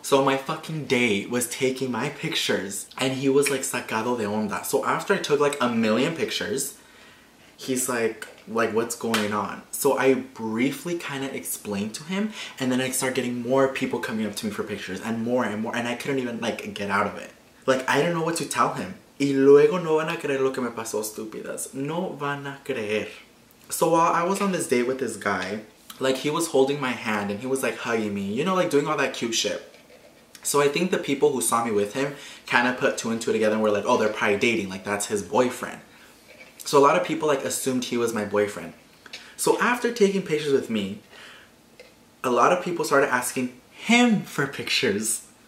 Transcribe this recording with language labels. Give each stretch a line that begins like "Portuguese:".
English: So my fucking date was taking my pictures and he was like,
Spanish: sacado de onda.
English: So after I took like a million pictures, he's like, what's going on? So I briefly kind of explained to him and then I started getting more people coming up to me for pictures and more and more. And I couldn't even like get out of it. Like, I didn't know what to tell him.
Spanish: Y luego no van a creer lo que me pasó, estúpidas. No van a creer.
English: So while I was on this date with this guy, like, he was holding my hand and he was like hugging me, you know, like doing all that cute shit. So I think the people who saw me with him kind of put two and two together and were like, oh, they're probably dating, like that's his boyfriend. So a lot of people like assumed he was my boyfriend. So after taking pictures with me, a lot of people started asking him for pictures.